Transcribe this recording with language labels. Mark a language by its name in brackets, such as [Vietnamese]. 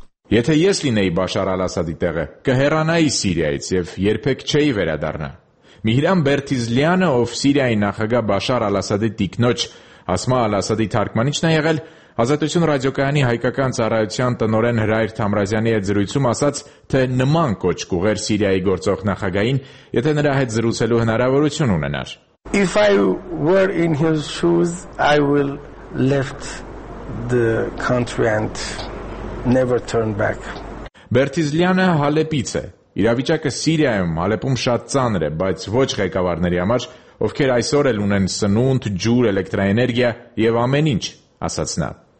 [Armenian] Եթե ես լինեի Բաշար Ալ-Ասադի տեղը, կհեռանայի Սիրիայից եւ երբեք չէի վերադառնա։ Միհրան Բերտիզլյանը, ով Սիրիայի նախագահ Բաշար Ալ-Ասադի տիկնոջ, Ասմա Ալ-Ասադի թարգմանիչն է եղել, Ազատություն ռադիոկայանի հայկական ծառայության տնօրեն Հրայր Թամրազյանի հետ զրույցում ասաց, թե նման կոչք ուղեր Սիրիայի գործող նախագահին, եթե նրա հետ զրուցելու հնարավորություն ունենար։ [English] If I were in his shoes, I would left the country and never turn back. [Armenian] Բերտիզլյանը Հալեպից է։ Իրավիճակը Սիրիայում Ալեպում շատ ծանր է, բայց ոչ ղեկավարների համար, ովքեր այսօր էլ ունեն սնունդ, ջուր, էլեկտրաէներգիա եւ ամեն ինչ, ասաց նա։